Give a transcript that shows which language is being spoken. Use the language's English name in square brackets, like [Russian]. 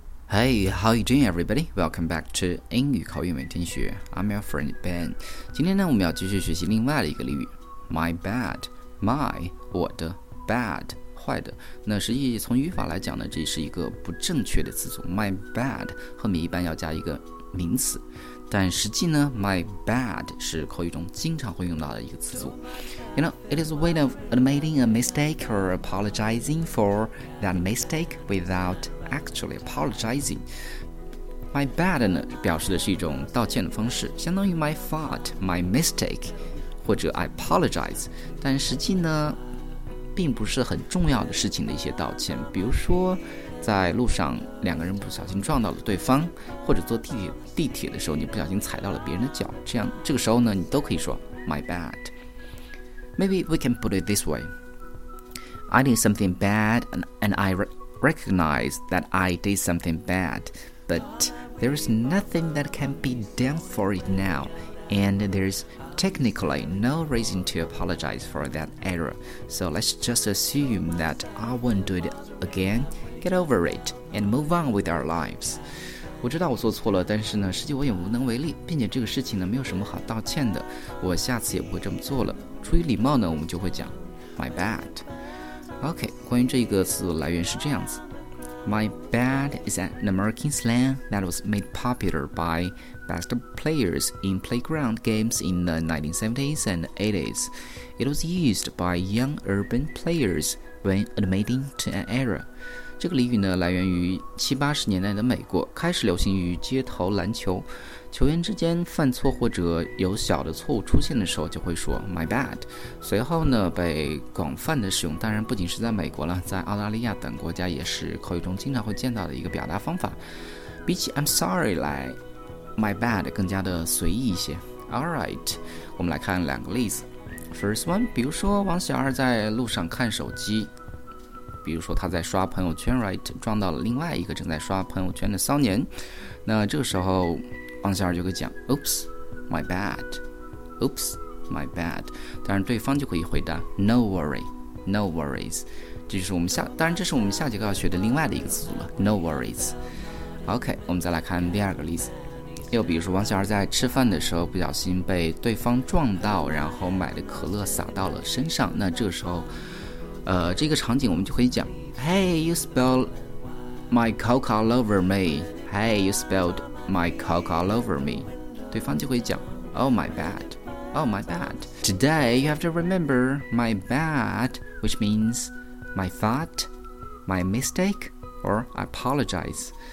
[English] Hey, how you doing, everybody? Welcome back to 英语口语每天学 I'm your friend Ben. [Chinese] 今天呢，我们要继续学习另外的一个俚语 My bad, my 我的 bad 坏的。那实际从语法来讲呢，这是一个不正确的词组 My bad 后面一般要加一个名词，但实际呢 ，my bad 是口语中经常会用到的一个词组。 [English] You know, it is a way of admitting a mistake or apologizing for that mistake without actually apologizing. [Chinese] My bad 呢，表示的是一种道歉的方式，相当于 [English] my fault, my mistake, [Chinese] 或者 [English] I apologize. [Chinese] 但实际呢，并不是很重要的事情的一些道歉，比如说。在路上两个人不小心撞到了对方，或者坐地铁的时候你不小心踩到了别人的脚，这样这个时候呢你都可以说 My bad. [English] Maybe we can put it this way. I did something bad and I recognize that I did something bad, but there is nothing that can be done for it now, and there's technically no reason to apologize for that error. So let's just assume that I won't do it againGet over it and move on with our lives. [Chinese] 我知道我做错了，但是呢，实际我也无能为力，并且这个事情呢，没有什么好道歉的。我下次也不会这么做了。出于礼貌呢，我们就会讲 my bad. OK, 关于这一个词来源是这样子。 [English] My bad is an American slang that was made popular by basketball players in playground games in the 1970s and 80s. It was used by young urban players when admitting to an error. [Chinese] 这个俚语呢，来源于七八十年代的美国，开始流行于街头篮球。球员之间犯错或者有小的错误出现的时候，就会说 "my bad"。随后呢，被广泛的使用。当然，不仅是在美国了，在澳大利亚等国家也是口语中经常会见到的一个表达方法。比起 [English] "I'm sorry" [Chinese] 来 ，"my bad" 更加的随意一些。 [English] All right， [Chinese] 我们来看两个例子。 [English] First one， [Chinese] 比如说王小二在路上看手机。比如说他在刷朋友圈 ，right， 撞到了另外一个正在刷朋友圈的骚年。那这个时候，王小二就会讲 ， [English] Oops, my bad. Oops, my bad. [Chinese] 当然，对方就可以回答 [English] ，No worry, no worries. [Chinese] 这是我们下，当然这是我们下节课要学的另外的一个词组了 ，No worries. OK， 我们再来看第二个例子。又比如说，王小二在吃饭的时候不小心被对方撞到，然后买的可乐洒到了身上。那这个时候。这个场景我们就可以讲 [English] Hey, you spilled my coke all over me. Hey, you spilled my coke all over me. [Chinese] 对方就会讲 [English] Oh, my bad. Oh, my bad. Today, you have to remember my bad, which means my fault, my mistake, or I apologize.